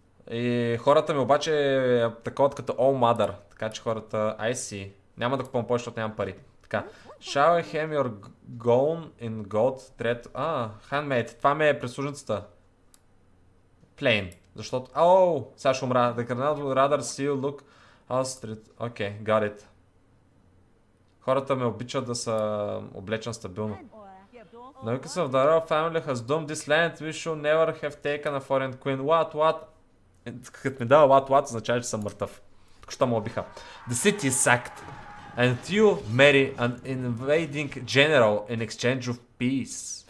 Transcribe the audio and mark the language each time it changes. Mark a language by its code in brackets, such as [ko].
[bg] И хората ми обаче атакуват като All Mother. Така че хората, [en] I see. [bg] Няма да купам повече, защото нямам пари. Така. [en] Shall I have your gown in gold thread? Handmade. [bg] Това ми е прислужницата. [en] Plain. [bg] Защото, сега ще умра. [en] The cardinal would rather see you look Astrid. Okay, got it. [bg] Хората ме обичат да са облечен стабилно. [en] The weakness of the royal family has doomed this land. We should never have taken a foreign queen. What? [bg] Като ми дава what, означава, че съм мъртъв. Тук що ме обиха. [en] The city is sacked. And you marry an invading general in exchange of peace.